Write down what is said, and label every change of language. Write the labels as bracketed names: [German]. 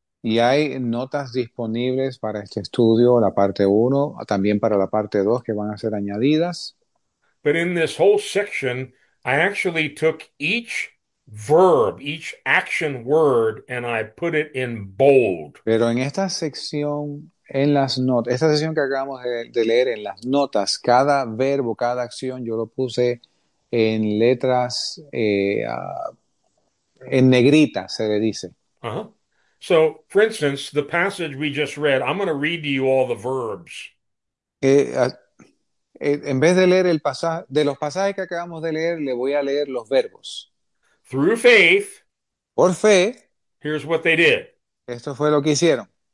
[Spanish] Y hay notas disponibles para este estudio, la parte 1, también para la parte 2 que van a ser añadidas. [English] But in this whole section, I actually took each verb, each action word, and I put it in bold. [Spanish] Pero en esta sección, en las notas, esta sección que acabamos de leer, en las notas, cada verbo, cada acción, yo lo puse en letras, en negrita, se le dice. [English] So, for instance, the passage we just read, I'm going to read to you all the verbs. [Spanish] En vez de leer el pasaje, de los pasajes que acabamos de leer, le voy a leer los verbos. [English] Through faith, [Spanish] Por fe, [English] here's what they did. [Spanish] esto fue lo que hicieron.